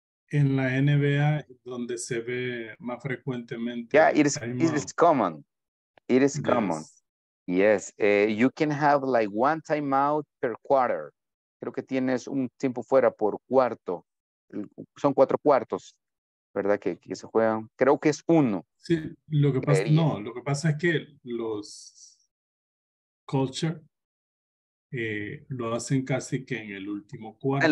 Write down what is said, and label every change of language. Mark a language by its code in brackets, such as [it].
[es] En la NBA, donde se ve más frecuentemente. [en] Yeah, it is common. It is common. Yes. You can have like one timeout per quarter. [es] Creo que tienes un tiempo fuera por cuarto. Son cuatro cuartos, ¿verdad? Que se juegan. Creo que es uno. Sí, lo que pasa, no, lo que pasa es que los culture lo hacen casi que en el último cuarto.